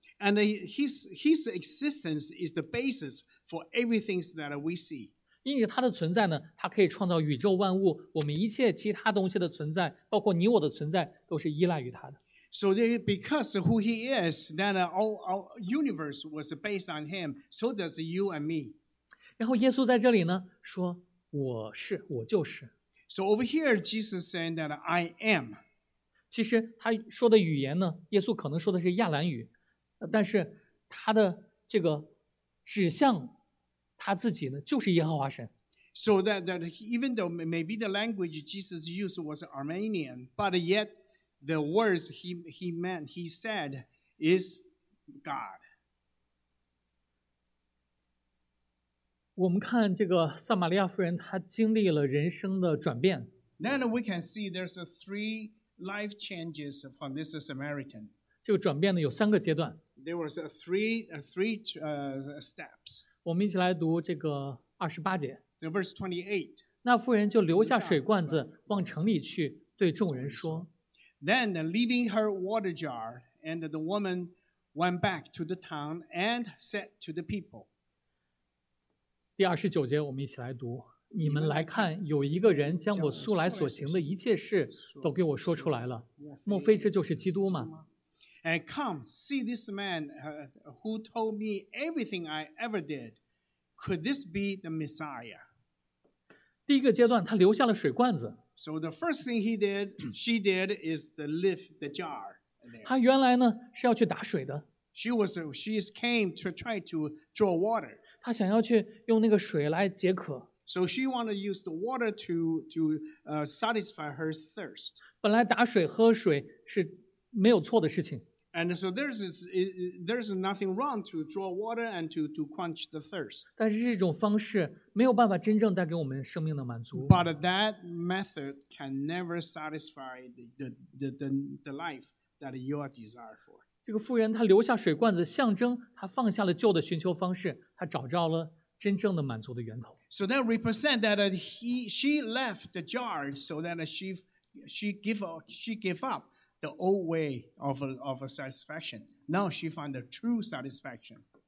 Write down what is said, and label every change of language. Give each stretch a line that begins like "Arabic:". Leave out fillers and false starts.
English: And his existence is the basis for everything that we see.
Chinese: 因为它的存在呢，它可以创造宇宙万物，我们一切其他东西的存在，包括你我的存在，都是依赖于它的。
English: So they, because of who he is, then all universe was based on him. So does you and me.
Chinese: 然后耶稣在这里呢说，我是，我就是。
English: So over here, Jesus saying that I am.
Chinese: 其实他说的语言呢，耶稣可能说的是亚兰语，但是他的这个指向他自己呢，就是耶和华神。
English: So that even though maybe the language Jesus used was Armenian, but yet. The words he meant, he said, is God.
Chinese: 我们看这个撒玛利亚夫人，她经历了人生的转变。
English: Then we can see there's three life changes from this Samaritan.
Chinese: 这个转变呢有三个阶段。
English: There was three steps.
Chinese: 我们一起来读这个二十八节。
English: The verse 28.
Chinese: 那夫人就留下水罐子，往城里去，对众人说。
English: Then leaving her water jar, and the woman went back to the town and said to the people.
Chinese: 第二十九节，我们一起来读。你们来看，有一个人将我素来所行的一切事都给我说出来了。莫非这就是基督吗
English: ？And come, see this man who told me everything I ever did. Could this be the Messiah?
Chinese: 第一个阶段，他留下了水罐子。
English: So the first thing he did, she did, is to lift the jar.
Chinese: 她原来呢是要去打水的。
English: She came to try to draw water.
Chinese: 她想要去用那个水来解渴。
English: So she wanted to use the water to satisfy her thirst.
Chinese: 本来打水喝水是没有错的事情。
English: And so there's nothing wrong to draw water and to quench the thirst.
Chinese: 但是这种方式没有办法真正带给我们生命的满足。
English: But that method can never satisfy the life that you are desired for.
Chinese: 这个妇人她留下水罐子，象征她放下了旧的寻求方式，她找着了真正的满足的源头。
English: So that represents that she left the jar so that she gave up. The old way of a satisfaction. Now she found the true satisfaction.